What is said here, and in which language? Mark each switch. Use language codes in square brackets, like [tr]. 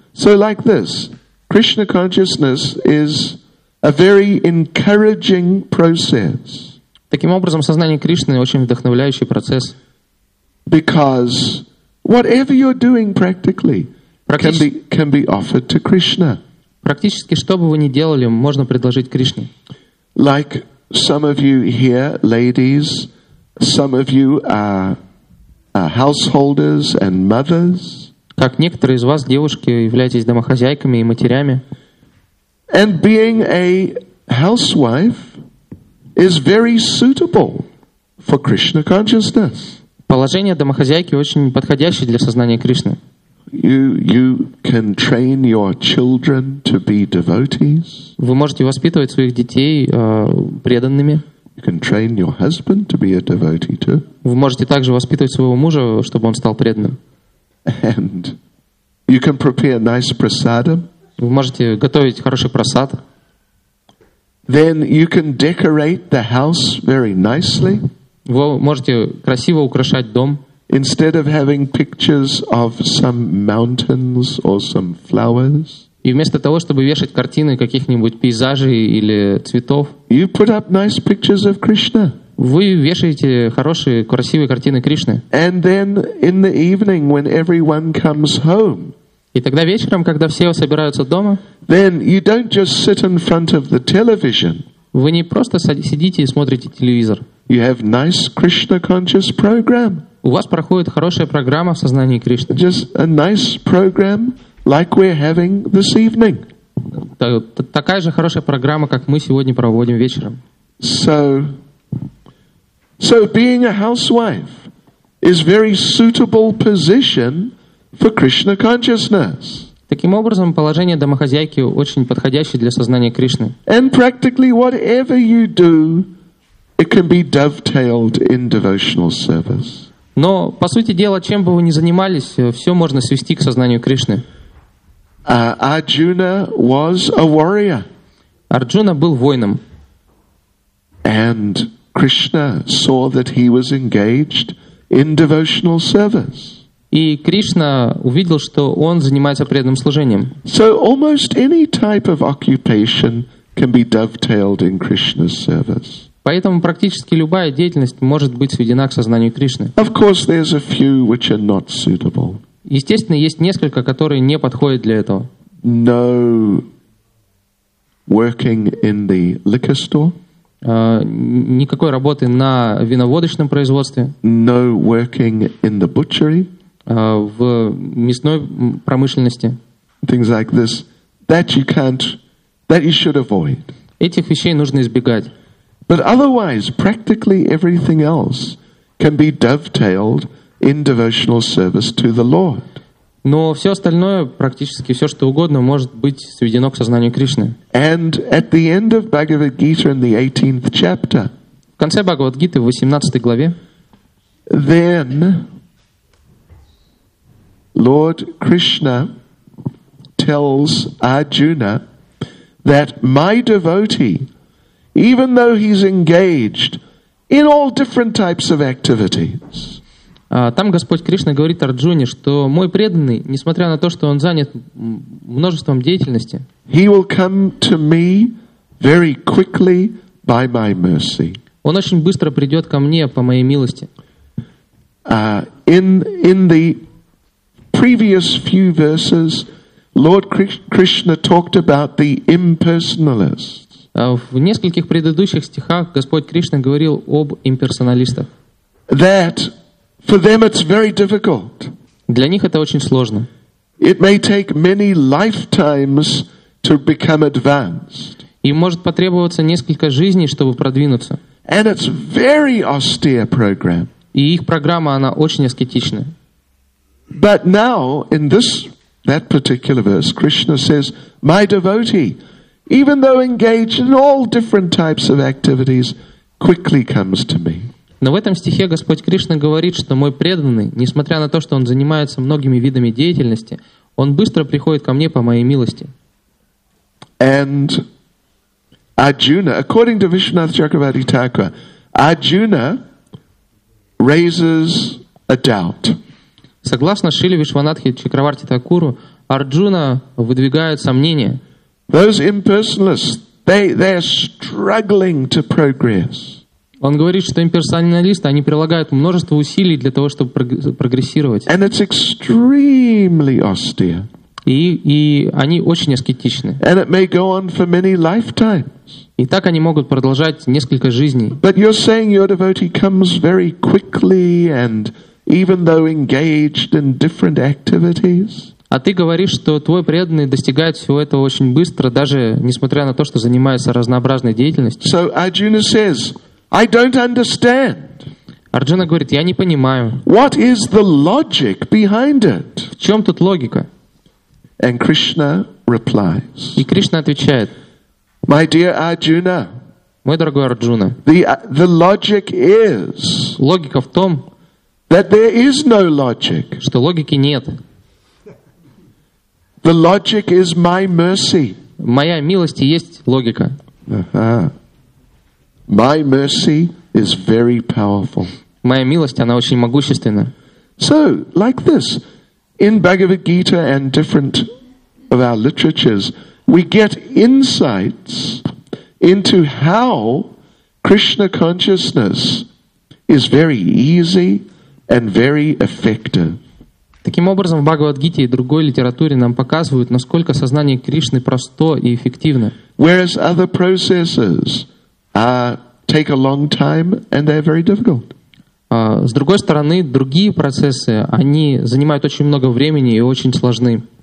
[en] So like this, Krishna consciousness is a very encouraging process. [ru] Таким образом, сознание Кришны очень вдохновляющий процесс. [en] Because whatever you're doing practically can be offered to Krishna. [ru] Практически, что бы вы ни делали, можно предложить Кришне. [en] Like some of you here, ladies, some of you are. Householders and mothers. [ru] Как некоторые из вас, девушки, являетесь домохозяйками и матерями. [en] And being a housewife is very suitable for Krishna consciousness. [ru] Положение домохозяйки очень подходящее для сознания Кришны. [en] You can train your children to be devotees. [ru] Вы можете воспитывать своих детей преданными. [en] You can train your husband to be a devotee too. [ru] Вы можете также воспитывать своего мужа, чтобы он стал преданным. [en] And you can prepare nice prasadam. [ru] Вы можете готовить хороший прасад. [en] Then you can decorate the house very nicely. [ru] Вы можете красиво украшать дом. [en] Instead of having pictures of some mountains or some flowers. [ru] И вместо того, чтобы вешать картины каких-нибудь пейзажей или цветов, [en] you put up nice pictures of Krishna. [ru] Вы вешаете хорошие, красивые картины Кришны. [en] And then in the evening, when everyone comes home, [ru] и тогда вечером, когда все собираются дома, [en] then you don't just sit in front of the television. [ru] Вы не просто сидите и смотрите телевизор. [en] You have nice Krishna conscious program. [ru] У вас проходит хорошая программа в сознании Кришны. [en] Just a nice program. Like we're having this evening. [ru] Такая же хорошая программа, как мы сегодня проводим вечером. [en] So being a housewife is very suitable position for Krishna consciousness. [ru] Таким образом, положение домохозяйки очень подходящее для сознания Кришны. [en] And practically whatever you do, it can be dovetailed in devotional service. [ru] Но по сути дела, чем бы вы ни занимались, все можно свести к сознанию Кришны. [en] Arjuna was a warrior. [ru] Арджуна был воином. [en] And Krishna saw that he was engaged in devotional service. [ru] И Кришна увидел, что он занимается преданным служением. [en] So almost any type of occupation can be dovetailed in Krishna's service. [ru] Поэтому практически любая деятельность может быть сведена к сознанию Кришны. [en] Of course, there's a few which are not suitable. [ru] Естественно, есть несколько, которые не подходят для этого. [en] No working in the liquor store. [ru] Никакой работы на виноводочном производстве. [en] No working in the butchery. [ru] В мясной промышленности. [en] Things like this that you should avoid. [ru] Этих вещей нужно избегать. [en] But otherwise, practically everything else can be dovetailed in devotional service to the Lord. [ru] Но все остальное, практически все что угодно, может быть сведено к сознанию Кришны. [en] And at the end of Bhagavad Gita in the 18th chapter. [ru] В конце Бхагавад Гиты в 18 главе. [en] Then Lord Krishna tells Arjuna that my devotee, even though he's engaged in all different types of activities. [ru] Там Господь Кришна говорит Арджуне, что мой преданный, несмотря на то, что он занят множеством деятельности, [en] he will come to me very quickly by my mercy. [ru] Он очень быстро придет ко мне по моей милости. [en] In the previous few verses, Lord Krishna talked about the impersonalists. [ru] В нескольких предыдущих стихах Господь Кришна говорил об имперсоналистах. [en] That for them it's very difficult. [ru] Для них это очень сложно. [en] It may take many lifetimes to become advanced. [ru] Им может потребоваться несколько жизней, чтобы продвинуться. [en] And it's very austere program. [ru] И их программа, она очень аскетичная. [en] But now, in this that particular verse, Krishna says, my devotee, even though engaged in all different types of activities, quickly comes to me. [ru] Но в этом стихе Господь Кришна говорит, что мой преданный, несмотря на то, что он занимается многими видами деятельности, он быстро приходит ко мне по моей милости. [en] And Arjuna, according to Vishwanatha Chakravarti Thakura, Arjuna raises a doubt. [ru] Согласно Шриле Вишванатхе Чакраварти Такуру, Арджуна выдвигает сомнения. [en] Those impersonalists, they're struggling to progress. [ru] Он говорит, что имперсоналисты, они прилагают множество усилий для того, чтобы прогрессировать. [en] And it's extremely austere. [ru] И они очень аскетичны. [en] And it may go on for many lifetimes. [ru] И так они могут продолжать несколько жизней. [en] But you're saying your devotee comes very quickly and even though engaged in different activities. [ru] А ты говоришь, что твой преданный достигает всего этого очень быстро, даже несмотря на то, что занимается разнообразной деятельностью. [en] So Arjuna says, I don't understand. [ru] Арджуна говорит, я не понимаю. [en] What is the logic behind it? [ru] В чем тут логика? [en] And Krishna replies. [ru] И Кришна отвечает. [en] My dear Arjuna. [ru] Мой дорогой Арджуна. [en] The logic is. [ru] Логика в том. [en] That there is no logic. [ru] Что логики нет. [en] The logic is my mercy. [ru] В моей милости есть логика. [en] My mercy is very powerful. [ru] Моя милость, она очень могущественна. [en] So, like this, in Bhagavad Gita and different of our literatures, we get insights into how Krishna consciousness is very easy and very effective. [ru] Таким образом, в Бхагавад-гите и другой литературе нам показывают, насколько сознание Кришны просто и эффективно. [en] Whereas other processes take a long time and they're very difficult. [ru] С другой стороны, другие процессы, они занимают очень много времени и очень сложны.